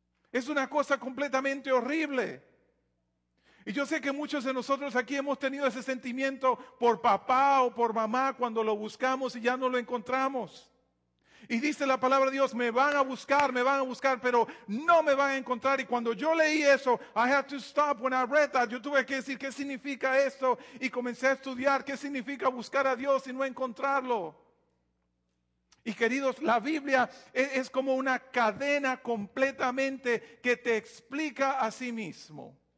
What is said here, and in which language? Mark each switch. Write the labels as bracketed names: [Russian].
[Spanish] Es una cosa completamente horrible. Y yo sé que muchos de nosotros aquí hemos tenido ese sentimiento por papá o por mamá cuando lo buscamos y ya no lo encontramos. Y dice la palabra de Dios, me van a buscar, pero no me van a encontrar. Y cuando yo leí eso, [English] I had to stop when I read that. [Spanish] Yo tuve que decir, ¿qué significa eso? Y comencé a estudiar, ¿qué significa buscar a Dios y no encontrarlo? Y queridos, la Biblia es como una cadena completamente que te explica a sí mismo.